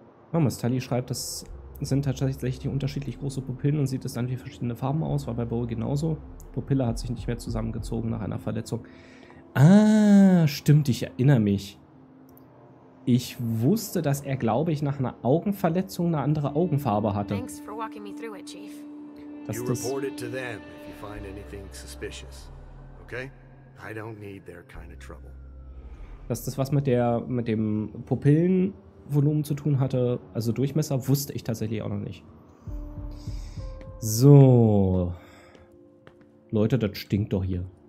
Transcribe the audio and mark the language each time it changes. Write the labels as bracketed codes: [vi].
[de] Mama, Tully schreibt, das sind tatsächlich unterschiedlich große Pupillen und sieht es dann wie verschiedene Farben aus, war bei Bo genauso. Die Pupille hat sich nicht mehr zusammengezogen nach einer Verletzung. Ah, stimmt, ich erinnere mich. Ich wusste, dass er, glaube ich, nach einer Augenverletzung eine andere Augenfarbe hatte. [en] Thanks for walking me through it, Chief. Das you report it to them if you find anything suspicious. Okay? I don't need their kind of trouble. [de] Dass das was mit dem Pupillenvolumen zu tun hatte, also Durchmesser, wusste ich tatsächlich auch noch nicht. So. Leute, das stinkt doch hier.